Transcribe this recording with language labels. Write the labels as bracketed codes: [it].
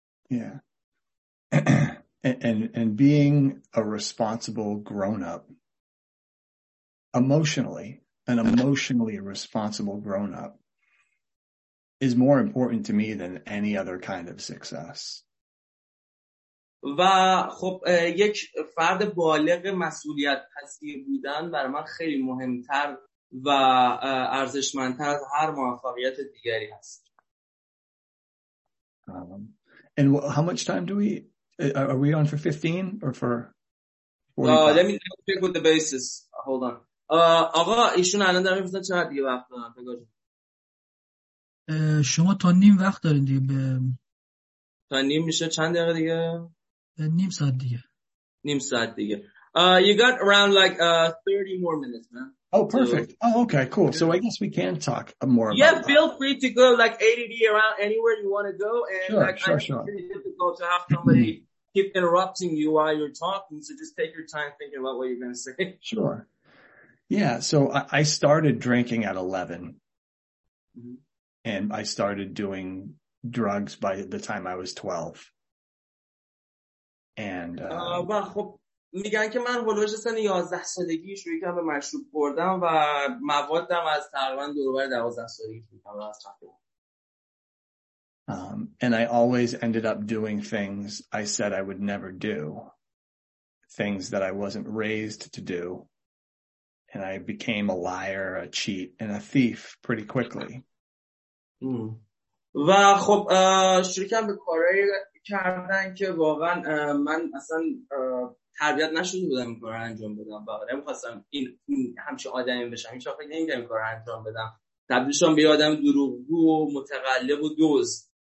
[en] Yeah. and being a responsible grown-up, an emotionally responsible grown-up, is more important to me than any other kind of success. [fa] و خب یک فرد بالغ مسئولیت پذیر بودن برای من خیلی مهمتر و ارزشمندتر از هر موفقیت دیگری هست. [en] And how much time do we are we on for 15 or for 45? Let me check with the basis. Hold on. [fa] آقا ایشون الان دارن میفتن چقدر دیگه وقت دارن؟ شما تا نیم وقت دارین دیگه. تا نیم میشه چند دقیقه دیگه؟ نیم ساعت دیگه. نیم ساعت دیگه. [en] You got around like 30 more minutes, man. Oh, perfect. So, oh, okay, cool. So I guess we can talk more about yeah, that. Yeah, feel free to go like ADD around anywhere you want to go. And sure, like, sure, it's sure. It's really difficult to have somebody keep interrupting you while you're talking. So just take your time thinking about what you're going to say. Sure. Yeah, so I started drinking at 11. Mm-hmm. And I started doing drugs by the time I was 12. And... [fa] میگن که من هولوش سن 11 سالگی شروع کردم به مشروب خوردن و موادم از تقریبا دور بر 12 سالگی شروع کردم از خورد. [en] And I always ended up doing things I said I would never do. Things that I wasn't raised to do. And I became a liar, a cheat and a thief pretty quickly. [fa] و خب شروع کردم به کارهایی کردن که واقعا من اصلا تربیت نشده بودم این کار رو انجام بدم و نمیخواستم این همچه آدمی بشم این چه فکر نمیدم این کار رو انجام بدم تبدیلشون به یه آدم دروغگو و متقلب و دوز.